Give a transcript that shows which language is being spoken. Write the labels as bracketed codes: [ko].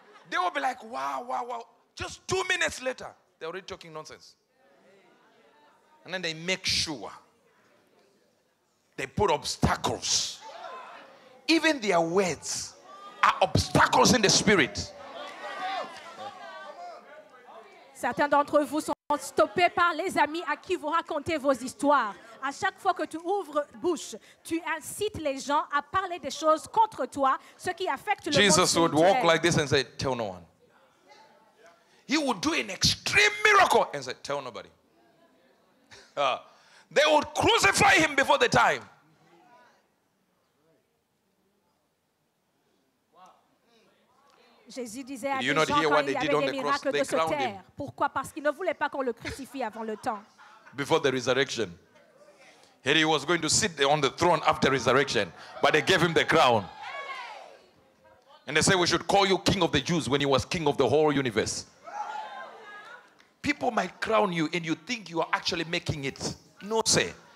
[en] They will be like, wow, wow, wow. Just 2 minutes later, they're already talking nonsense. And then they make sure. They put obstacles. Even their words are obstacles in the spirit. [fr] Certains d'entre vous sont stoppés par les amis à qui vous racontez vos histoires. À chaque fois que tu ouvres bouche, tu incites les gens à parler des choses contre toi, ce qui affecte le [en] Jesus [fr] monde. [en] Jesus would walk like this and say, tell no one. He would do an extreme miracle and say, tell nobody. They would crucify him before the time. [fr] Jésus disait à des gens quand il y avait des miracles de se taire. Pourquoi? Parce qu'il ne voulait pas qu'on le crucifie avant le temps. [en] Before the resurrection. He was going to sit on the throne after resurrection. But they gave him the crown. And they said, we should call you king of the Jews when he was king of the whole universe. People might crown you and you think you are actually making it. No, sir.